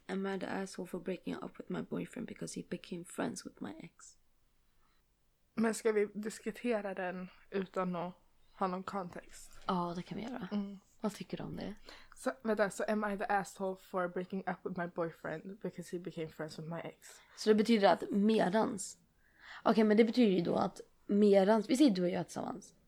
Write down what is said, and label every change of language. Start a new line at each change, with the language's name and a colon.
English: Am I the asshole for breaking up with my boyfriend because he became friends with my ex?
Swedish: Men ska vi diskutera den utan att ha någon kontext? Ja, det kan vi göra. Mm. Vad tycker du om det? Så, vänta, så
English: am I the asshole for breaking up with my boyfriend because he became friends with my ex?
Swedish: Så det betyder att medans... Okej, men det betyder ju då att medans... Vi säger du och jag tillsammans.